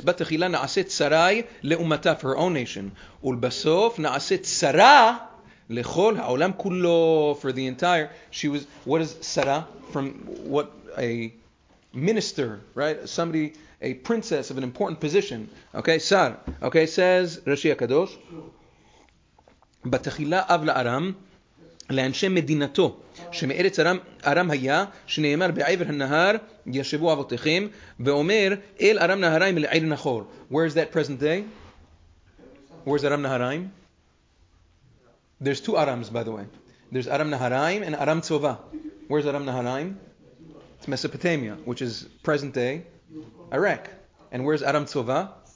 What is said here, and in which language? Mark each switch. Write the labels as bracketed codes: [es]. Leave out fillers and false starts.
[he] But tachila na'aset Sarai le'umata, [en] for her own nation. [he] Ulbasof na'aset Sarah le'chol ha'olam kulo, [en] for the entire. She was, what is Sarah? From what? A minister, right? Somebody, a princess of an important position. Okay, Sar. Okay, says Rashi HaKadosh. [he] בתחילה אב לארם לאנשי מדינתו שמארץ ארם, ארם היה שנאמר בעבר הנהר ישבו אבותיכם ואומר אל ארם נהריים אל עיר נחור. [en] Where is that present day? Where is Aram Naharaim? There's two Arams, by the way. There's Aram Naharaim and Aram Tzova. Where is Aram Naharaim? It's Mesopotamia, which is present day Iraq. And where is Aram Tzova?